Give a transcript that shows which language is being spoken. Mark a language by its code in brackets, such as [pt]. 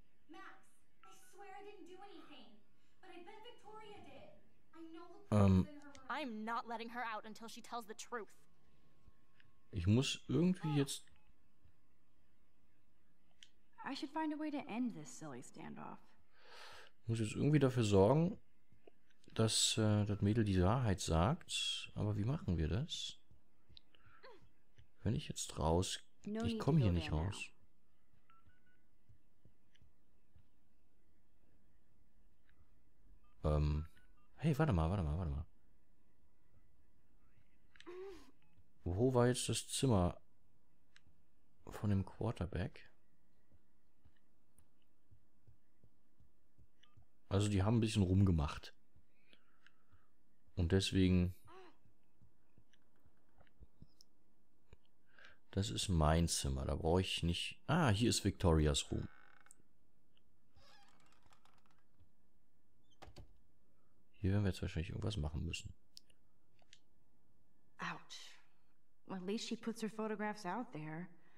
[en] Max, I swear I didn't do anything. But I bet Victoria did. I know the I'm not letting her out until she tells the truth. [de] Ich muss irgendwie jetzt... [en] I should find a way to end this silly standoff. [de] Muss jetzt irgendwie dafür sorgen, dass das Mädel die Wahrheit sagt. Aber wie machen wir das? Wenn ich jetzt raus... [en] No, [de] ich komme hier nicht raus. Hey, warte mal. Wo war jetzt das Zimmer von dem Quarterback? Also die haben ein bisschen rumgemacht. Und deswegen... Das ist mein Zimmer, da brauche ich nicht... Ah, hier ist Victorias Room. Hier werden wir jetzt wahrscheinlich irgendwas machen müssen. [en] Ouch. Well, at least she puts her photographs out there.